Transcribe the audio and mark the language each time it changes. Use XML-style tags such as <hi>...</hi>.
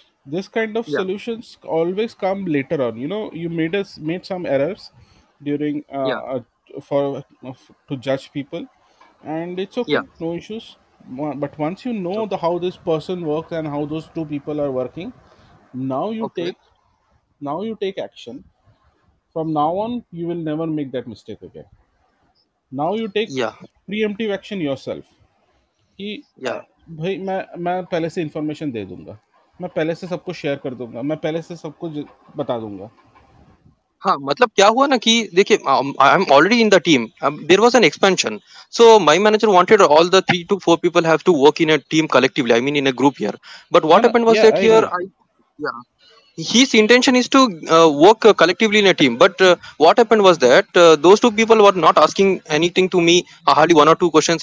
<en>This kind of solutions always come later on. You know, you made some errors during to judge people, and it's okay, no issues. But once you know the how this person works and how those two people are working, now you take action. From now on, you will never make that mistake again. Now you take preemptive action yourself.</en> <hi>भाई मैं पहले से information दे दूंगा, मैं पहले से सबको share कर दूंगा, मैं पहले से सबको बता दूंगा. हाँ, मतलब क्या हुआ ना कि देखिए,</hi> <en>I am already in the team. There was an expansion, so my manager wanted all the 3 to 4 people have to work in a team collectively. I mean in a group here. But what happened was that here, his intention is to work collectively in a team. But what happened was that those two people were not asking anything to me, hardly one or two questions.</en>